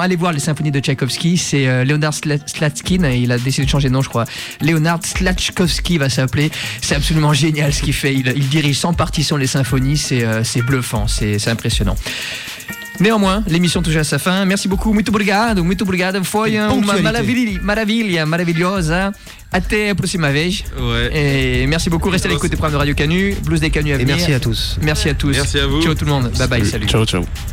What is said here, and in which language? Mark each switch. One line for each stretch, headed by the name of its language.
French: Allez voir les symphonies de Tchaïkovski. C'est Leonard Slatskin. Il a décidé de changer de nom, je crois. Leonard Slatskowski va s'appeler. C'est absolument génial ce qu'il fait. Il dirige sans partition les symphonies. C'est bluffant. C'est impressionnant. Néanmoins, l'émission touche à sa fin. Merci beaucoup.
Portuguese: Muito obrigado. Foi uma maravilha, maravilhosa. Até a próxima vez.
French: Ouais. Et merci beaucoup. Restez à l'écoute des programmes de Radio Canu. Blues des Canus à venir. Et merci à tous. Merci à tous. Merci à vous. Ciao tout le monde. Bye bye. Salut. Ciao.